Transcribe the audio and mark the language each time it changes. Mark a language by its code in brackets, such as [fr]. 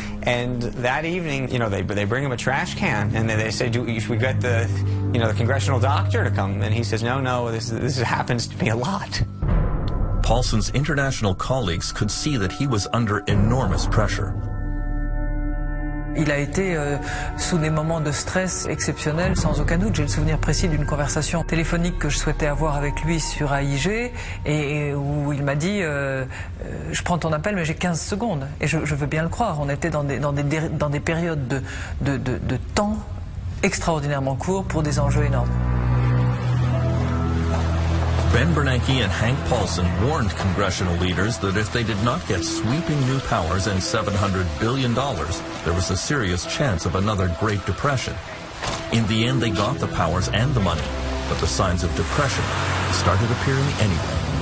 [en] And that evening, you know, they bring him a trash can. And they say, should we get the, you know, the congressional doctor to come? And he says, no, this happens to me a lot. Paulson's international colleagues could see that he was under enormous pressure. [fr] Il a été sous des moments de stress exceptionnels, sans aucun doute. J'ai le souvenir précis d'une conversation téléphonique que je souhaitais avoir avec lui sur AIG et où il m'a dit « Je prends ton appel, mais j'ai 15 secondes. » Et je veux bien le croire, on était dans des périodes de temps extraordinairement courts pour des enjeux énormes. [en] Ben Bernanke and Hank Paulson warned congressional leaders that if they did not get sweeping new powers and $700 billion, there was a serious chance of another Great Depression. In the end, they got the powers and the money, but the signs of depression started appearing anyway.